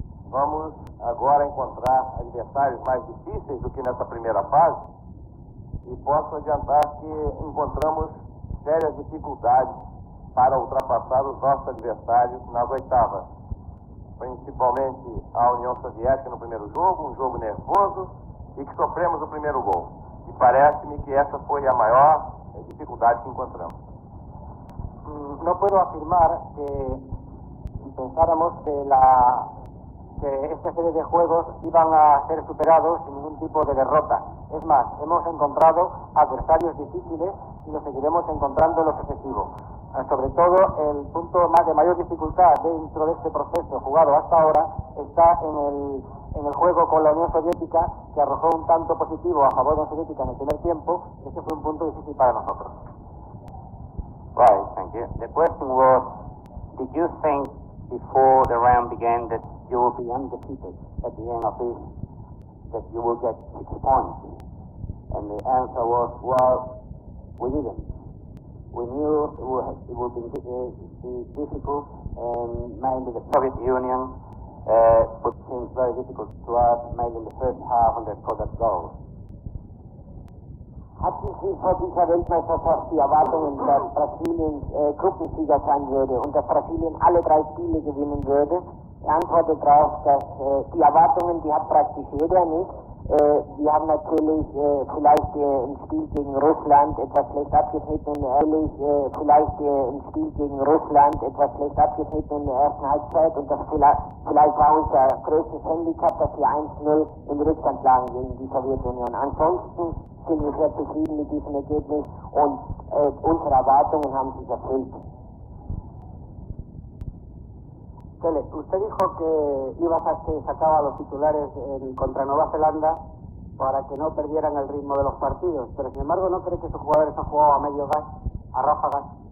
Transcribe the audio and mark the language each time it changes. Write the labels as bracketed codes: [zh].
[pt] Vamos agora encontrar adversários mais difíceis do que nessa primeira fase e posso adiantar que encontramos sérias dificuldades para ultrapassar os nossos adversários nas oitavas. Principalmente a União Soviética no primeiro jogo, um jogo nervoso e que sofremos o primeiro gol. E parece-me que essa foi a maior dificuldade que encontramos. [es] No puedo afirmar que pensáramos que esta serie de juegos iban a ser superados sin ningún tipo de derrota. Es más, hemos encontrado adversarios difíciles y lo seguiremos encontrando en lo sucesivo. Sobre todo, el punto más de mayor dificultad dentro de este proceso jugado hasta ahora está en el juego con la Unión Soviética, que arrojó un tanto positivo a favor de la Unión Soviética en el primer tiempo. Ese fue un punto difícil para nosotros. [en] Right, thank you. The question was, did you think before the round began that you will be undefeated at the end of the season, that you will get 6 points? And the answer was, well, we didn't. We knew it would be difficult, and mainly the Soviet Union put things very difficult to us, mainly in the first half and they scored that goal. [de] Hatten Sie vor dieser Weltmeisterschaft die Erwartungen, dass Brasilien Gruppensieger sein würde und dass Brasilien alle 3 Spiele gewinnen würde? Die Antwort darauf, dass die Erwartungen, die hat praktisch jeder nicht. Die haben natürlich vielleicht im Spiel gegen Russland etwas schlecht abgeschnitten in der ersten Halbzeit und das vielleicht war unser größtes Handicap, dass wir 1-0 in Rückstand lagen gegen die Sowjetunion. Ansonsten sind wir sehr zufrieden mit diesem Ergebnis und unsere Erwartungen haben sich erfüllt. [es] Tele, usted dijo que ibas a sacar a los titulares contra Nueva Zelanda para que no perdieran el ritmo de los partidos, pero sin embargo, ¿no cree que esos jugadores han jugado a medio gas, a ráfagas?